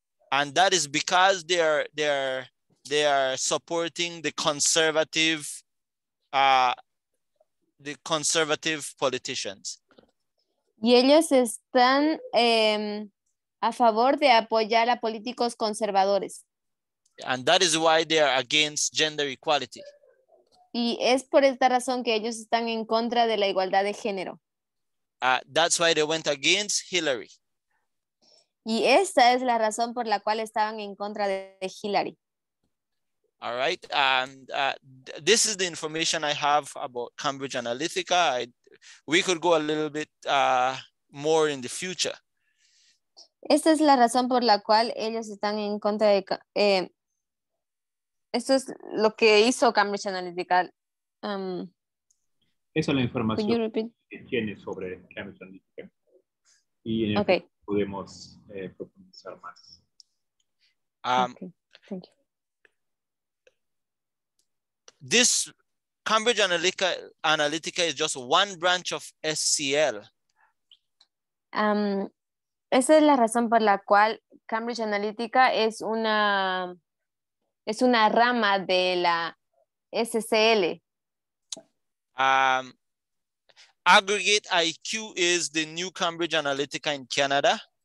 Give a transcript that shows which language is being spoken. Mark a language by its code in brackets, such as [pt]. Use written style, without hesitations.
[en] And that is because they are supporting the conservative politicians. [es] Y ellos están a favor de apoyar a políticos conservadores. [en] And that is why they are against gender equality. [es] Y es por esta razón que ellos están en contra de la igualdad de género. [en] That's why they went against Hillary. [es] Y esta es la razón por la cual estaban en contra de Hillary. [en] All right. This is the information I have about Cambridge Analytica. We could go a little bit more in the future. [es] Esta es la razón por la cual ellos están en contra de... Esto es lo que hizo Cambridge Analytica. Esa es la información que tiene sobre Cambridge Analytica. Y en el podemos profundizar más. [en] This Cambridge Analytica is just one branch of SCL. [es] Esa es la razón por la cual Cambridge Analytica es una... Es una rama de la SCL. [en] Aggregate IQ is the new Cambridge Analytica in Canada.